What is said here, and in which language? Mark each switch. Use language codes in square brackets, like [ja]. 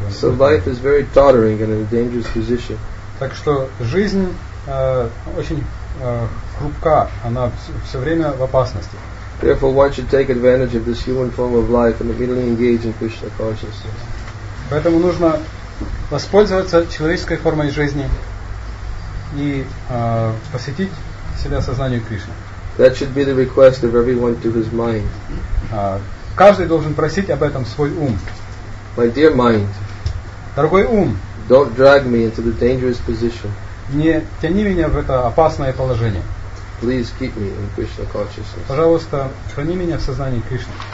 [en] So life is very tottering and in a dangerous position. [ru] Так что жизнь очень хрупка, она все время в опасности. [en] Therefore, one should take advantage of this human form of life and immediately engage in Krishna consciousness. [ru] Поэтому нужно воспользоваться человеческой формой жизни и посвятить себя сознанию Кришны. [en] That should be the request of everyone to his mind. [ru] Каждый должен просить об этом свой ум. [en] My dear mind, [ru] дорогой ум, [en] don't drag me into the dangerous position. [ru] Не тяни меня в это опасное положение. [en] Please keep me in Krishna consciousness. [ru] Пожалуйста, храни меня в сознании Кришны.